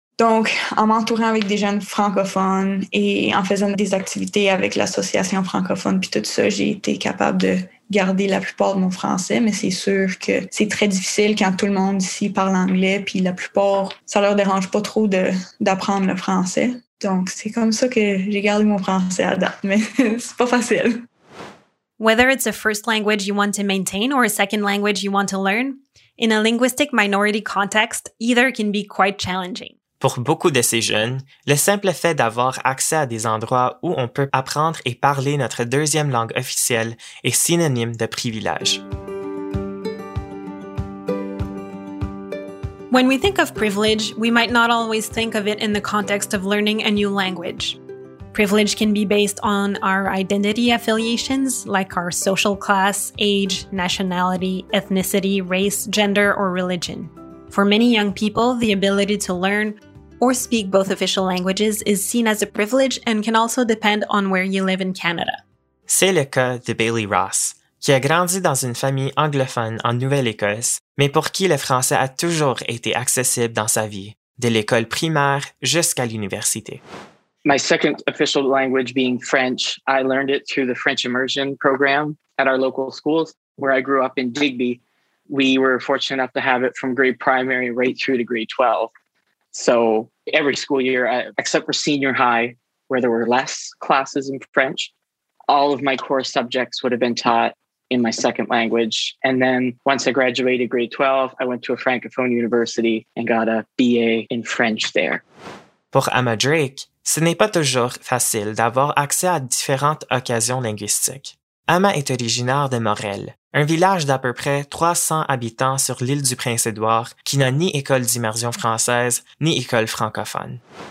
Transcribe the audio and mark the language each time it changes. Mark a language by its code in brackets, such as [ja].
[fr] Donc, en m'entourant avec des jeunes francophones et en faisant des activités avec l'association francophone puis tout ça, j'ai été capable de garder la plupart de mon français, mais c'est sûr que c'est très difficile quand tout le monde ici parle anglais puis la plupart, ça leur dérange pas trop d'apprendre le français. Donc, c'est comme ça que j'ai gardé mon français à date, mais c'est pas facile. [en] Whether it's a first language you want to maintain or a second language you want to learn, in a linguistic minority context, either can be quite challenging. [fr] Pour beaucoup de ces jeunes, le simple fait d'avoir accès à des endroits où on peut apprendre et parler notre deuxième langue officielle est synonyme de privilège. [en] When we think of privilege, we might not always think of it in the context of learning a new language. Privilege can be based on our identity affiliations, like our social class, age, nationality, ethnicity, race, gender, or religion. For many young people, the ability to learn or speak both official languages is seen as a privilege and can also depend on where you live in Canada. [fr] C'est le cas de Bailey Ross, qui a grandi dans une famille anglophone en Nouvelle-Écosse, mais pour qui le français a toujours été accessible dans sa vie, de l'école primaire jusqu'à l'université. [en] My second official language being French, I learned it through the French immersion program at our local schools where I grew up in Digby. We were fortunate enough to have it from grade primary right through to grade 12. So every school year, except for senior high, where there were less classes in French, all of my core subjects would have been taught in my second language. And then once I graduated grade 12, I went to a francophone university and got a BA in French there. [fr] Pour Emma Drake, ce n'est pas toujours facile d'avoir accès à différentes occasions linguistiques. Emma est originaire de Morel, un village d'à peu près 300 habitants sur l'île du Prince-Édouard qui n'a ni école d'immersion française ni école francophone.